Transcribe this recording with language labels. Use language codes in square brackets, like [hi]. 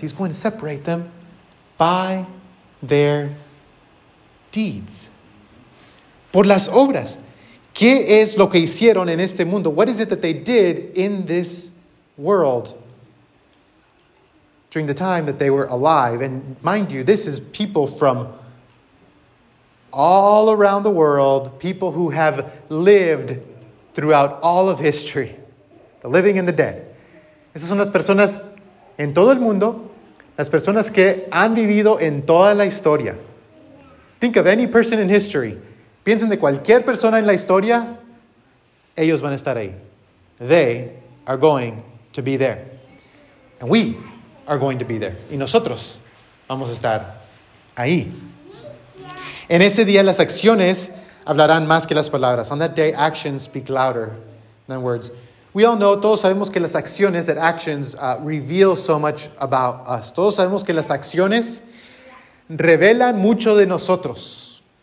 [en] He's going to separate them by their deeds. [es] Por las obras. ¿Qué es lo que hicieron en este mundo? [en] What is it that they did in this world during the time that they were alive? And mind you, this is people from all around the world, people who have lived throughout all of history. The living and the dead. [es] Esas son las personas en todo el mundo, las personas que han vivido en toda la historia. [en] Think of any person in history. [es] Piensen de cualquier persona en la historia, ellos van a estar ahí. [en] They are going to be there. And we are going to be there. [es] Y nosotros vamos a estar ahí. En ese día las acciones hablarán más que las palabras. [en] On that day, actions speak louder than words. We all know, [es] todos sabemos que las acciones, [en] that actions reveal so much about us. [es] Todos sabemos que las acciones revelan mucho de nosotros.